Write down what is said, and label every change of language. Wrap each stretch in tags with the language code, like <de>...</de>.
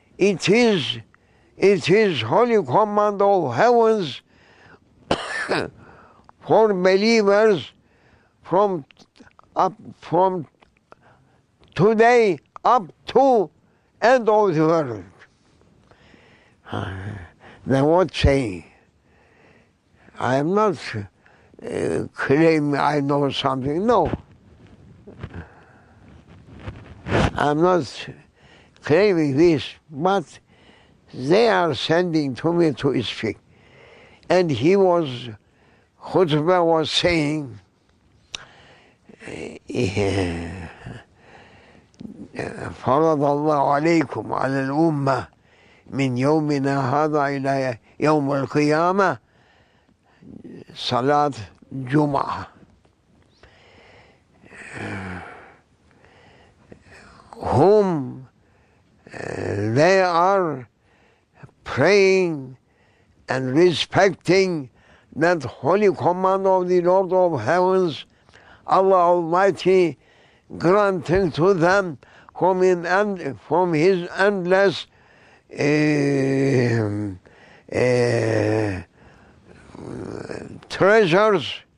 <en>It is holy command of heavens for believers from today up to end of the world. Then what say? I am not claiming I know something. No. I am not claiming this, but they are sending to me to speak. And he was, Khutbah was saying,</en> <ar>فرض الله عليكم على الأمة من يومنا هذا إلى يوم القيامة صلاة جمعة.</ar> <en>Whom they are praying and respecting that holy command of the Lord of Heavens, Allah Almighty, granting to them from His endless treasures,</en>